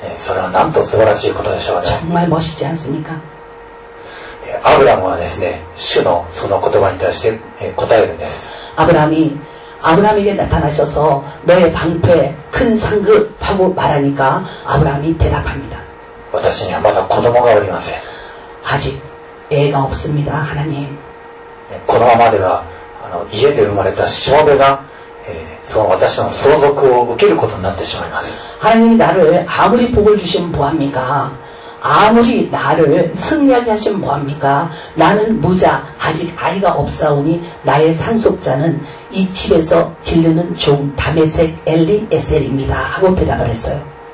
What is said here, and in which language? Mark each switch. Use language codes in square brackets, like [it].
[ja] それはなんと素晴らしいことでしょうね。 [ko] 정말멋있지않습니까。 [ja] 아브라함은ですね主のその言葉に対して答えるんです。 [ko] 아브라함에게나타나셔서너의방패큰상급하고말하니까아브라함이대답합니다。 [ja] 私にはまだ子供がおりません。 [ko] 아직애가없습니다하나님。 [ja] このままでは家で生まれたしもべが、その私の相続を受けることになってしまいます。 [ko] 하나님이나를아무리복을주신보합니까아무리나를승리하게하신보합니까나는무자아직아이가없사오니나의상속자는이집에서길르는종다메섹엘리에셀입니다하고대답을했어요。